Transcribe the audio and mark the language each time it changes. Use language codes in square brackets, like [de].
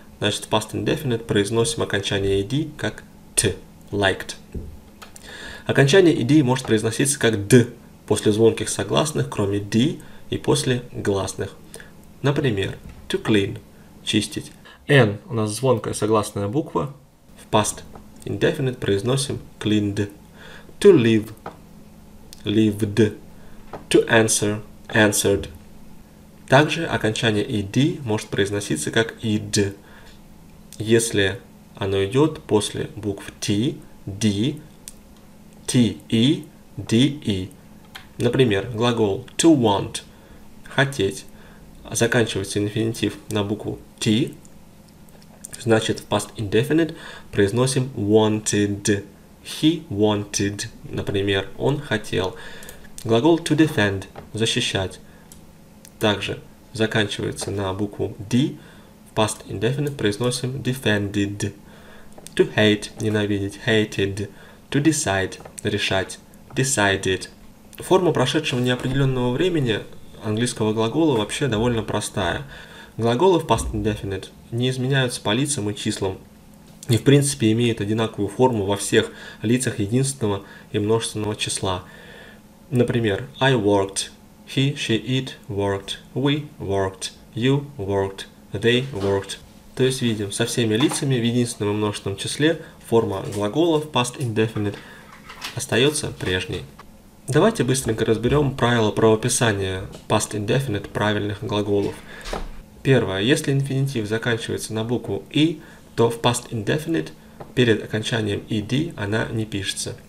[ru] Значит, в past indefinite произносим окончание ed как t, liked. Окончание ed может произноситься как d после звонких согласных, кроме d и после гласных. Например, to clean, чистить. N у нас звонкая согласная буква. В past indefinite произносим cleaned. [en] To leave, lived. To answer, answered. [ru] Также окончание ed может произноситься как id, если оно идет после букв t, d, t, e, d, e. Например, глагол to want – хотеть. Заканчивается инфинитив на букву t, значит в past indefinite произносим wanted. [en] He wanted, [ru] например, он хотел. Глагол to defend – защищать. Также заканчивается на букву D, в past indefinite произносим defended. [en] To hate – ненавидеть, hated. To decide – решать, decided. [ru] Форма прошедшего неопределенного времени английского глагола вообще довольно простая. Глаголы в past indefinite не изменяются по лицам и числам. И в принципе имеют одинаковую форму во всех лицах единственного и множественного числа. [en] Например, I worked. He, she, it worked, we worked, you worked, they worked. [ru] То есть видим, со всеми лицами в единственном и множественном числе форма глагола в past indefinite остается прежней. Давайте быстренько разберем правила правописания past indefinite правильных глаголов. Первое. Если инфинитив заканчивается на букву e, то в past indefinite перед окончанием ed она не пишется.